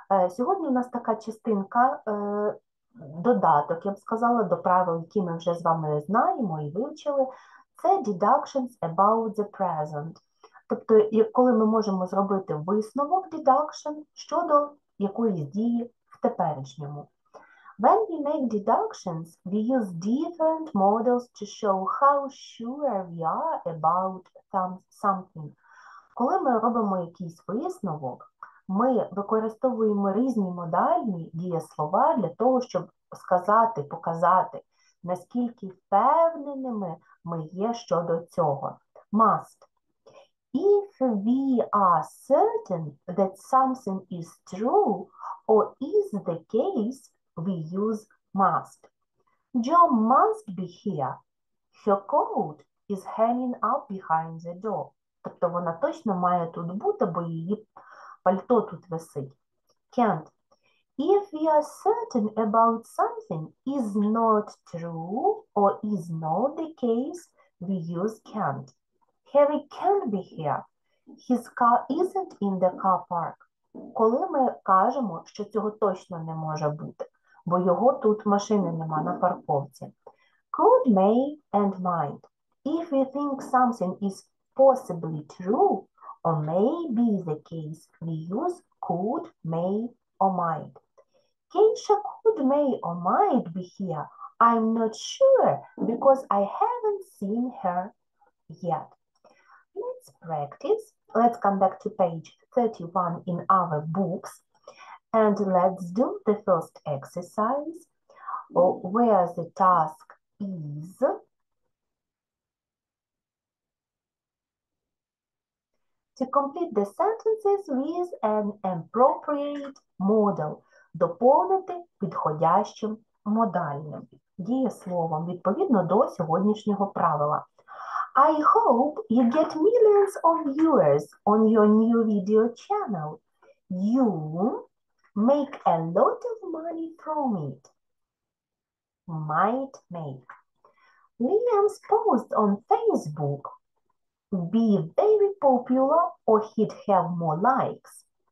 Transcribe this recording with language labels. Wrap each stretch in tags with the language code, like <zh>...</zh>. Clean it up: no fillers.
<uk>Сьогодні у нас така частинка – додаток, я б сказала, до правил, які ми вже з вами знаємо і вивчили, це</uk> <en>deductions about the present.</en> <uk>Тобто, коли ми можемо зробити висновок deduction щодо якоїсь дії в теперішньому.</uk> <en>When we make deductions, we use different models to show how sure we are about something.</en> <uk>Коли ми робимо якийсь висновок, ми використовуємо різні модальні дієслова для того, щоб сказати, показати, наскільки впевненими ми є щодо цього.</uk> <en>Must. If we are certain that something is true or is the case, we use must. John must be here. Her coat is hanging up behind the door.</en> <uk>Тобто вона точно має тут бути, бо її пальто тут висить.</uk> <en>Can't. If we are certain about something is not true or is not the case, we use can't. Harry can't be here. His car isn't in the car park.</en> <uk>Коли ми кажемо, що цього точно не може бути, бо його тут машини нема на парковці.</uk> <en>Could, may and might. If we think something is possibly true, or may be the case, we use could, may, or might. Keisha could, may, or might be here. I'm not sure because I haven't seen her yet. Let's practice. Let's come back to page 31 in our books. And let's do the first exercise where the task is. To complete the sentences with an appropriate model.</en> <uk>Доповнити підходящим модальним дієсловом відповідно до сьогоднішнього правила.</uk> <en>I hope you get millions of viewers on your new video channel. You make a lot of money from it. Might make. Liam's post on Facebook be very popular or he'd have more likes.</en>